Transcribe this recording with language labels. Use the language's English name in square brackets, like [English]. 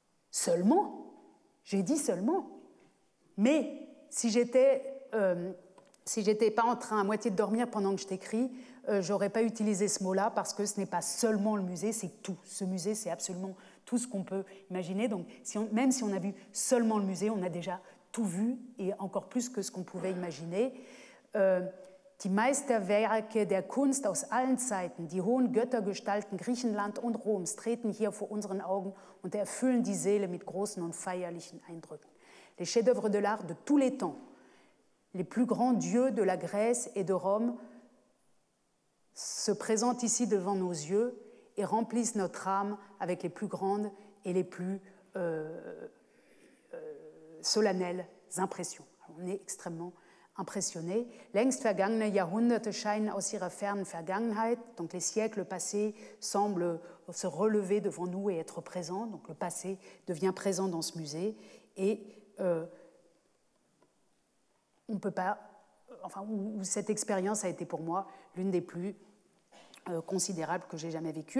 [French] Seulement ? J'ai dit seulement. Mais si j'étais pas en train à moitié de dormir pendant que je t'écris, j'aurais pas utilisé ce mot-là, parce que ce n'est pas seulement le musée, c'est tout. Ce musée, c'est absolument tout ce qu'on peut imaginer. Donc même si on a vu seulement le musée, on a déjà tout vu, et encore plus que ce qu'on pouvait imaginer. [German] Die Meisterwerke der Kunst aus allen Zeiten, die hohen Göttergestalten Griechenland und Roms, treten hier vor unseren Augen und erfüllen die Seele mit großen und feierlichen Eindrücken. [French] Les chefs-d'œuvre de l'art de tous les temps, les plus grands dieux de la Grèce et de Rome, se présentent ici devant nos yeux et remplissent notre âme avec les plus grandes et les plus solennelles impressions. Alors, on est extrêmement impressionné. [German] Längst vergangene Jahrhunderte scheinen aus ihrer fernen Vergangenheit. [French] Donc les siècles passés semblent se relever devant nous et être présents. Donc le passé devient présent dans ce musée. Et on ne peut pas. Enfin, où cette expérience a été pour moi l'une des plus considérables que j'ai jamais vécues.